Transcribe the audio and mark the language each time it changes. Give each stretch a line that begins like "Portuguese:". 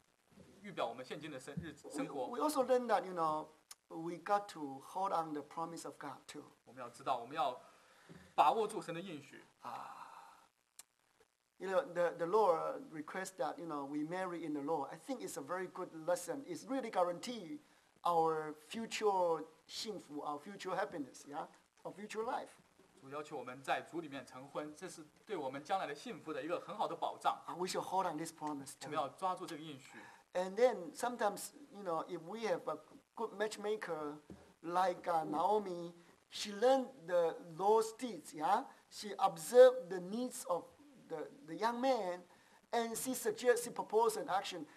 Chinese: 主在这里，神在这里就用一这个现实的故事来预表我们现今的生日生活。
English: We also learn that you know we got to hold on the promise of God too.
Chinese: 我们要知道，我们要把握住神的应许。
English: You know the Lord requests that you know we marry in the Lord. I think it's a very good lesson. It's really guarantee our future 幸福 ，our future happiness， yeah， our future life.
Chinese: 主要求我们在主里面成婚，这是对我们将来的幸福的一个很好的保障。
English: We should hold on this promise too.
Chinese: 我们要抓住这个应许。
English: And then sometimes, you know, if we have a good matchmaker like Naomi, she learned the Lord's deeds, yeah? She observed the needs of the young man, and she suggests, she proposed an action.